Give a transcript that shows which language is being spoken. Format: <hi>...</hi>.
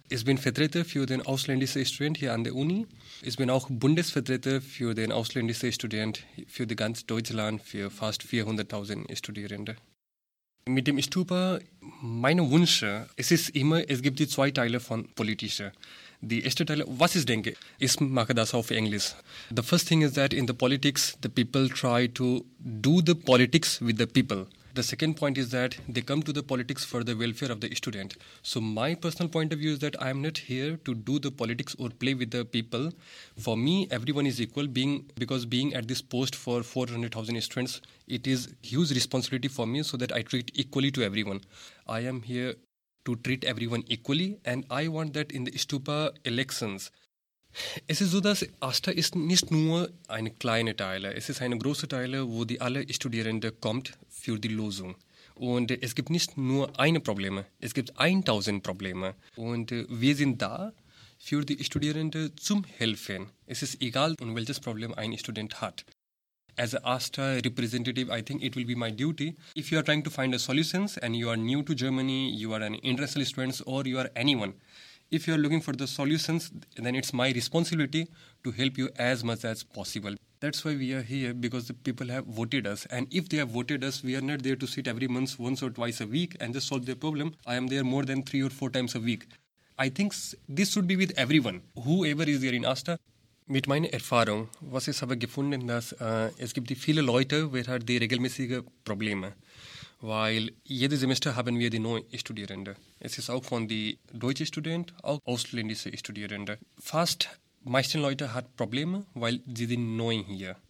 <de>Ich bin Vertreter für den ausländischen Student hier an der Uni. Ich bin auch Bundesvertreter für den ausländischen Student für ganz Deutschland, für fast 400.000 Studierende. Mit dem Stupa, meine Wünsche, es ist immer, es gibt die 2 Teile von politischer. Die erste Teil, was ich denke, ich mache das auf Englisch.</de> <en>The first thing is that in the politics, the people try to do the politics with the people. The second point is that they come to the politics for the welfare of the student. So my personal point of view is that I am not here to do the politics or play with the people. For me, everyone is equal because being at this post for 400,000 students, it is huge responsibility for me so that I treat equally to everyone. I am here to treat everyone equally, and I want that in the Stupa elections.</en> <de>Es ist so, dass Asta ist nicht nur eine kleine Teile, es ist eine große Teile, wo die alle Studierende kommt für die Lösung. Und es gibt nicht nur eine Probleme, es gibt 1000 Probleme. Und wir sind da für die Studierende zum Helfen. Es ist egal, um welches Problem ein Student hat.</de> <en>As an ASTA representative, I think it will be my duty. If you are trying to find a solutions and you are new to Germany, you are an international student or you are anyone, if you are looking for the solutions, then it's my responsibility to help you as much as possible. That's why we are here, because the people have voted us. And if they have voted us, we are not there to sit every month once or twice a week and just solve their problem. I am there more than 3 or 4 times a week. I think this should be with everyone, whoever is there in ASTA.</en> <de>Mit meiner Erfahrung, was ich habe gefunden, dass es gibt viele Leute, die regelmäßige Probleme haben. Weil jedes Semester haben wir die neuen Studierenden. Es ist auch von den deutschen Studenten, auch ausländischen Studierenden. Fast meisten Leute haben Probleme, weil sie sind neu hier.</de>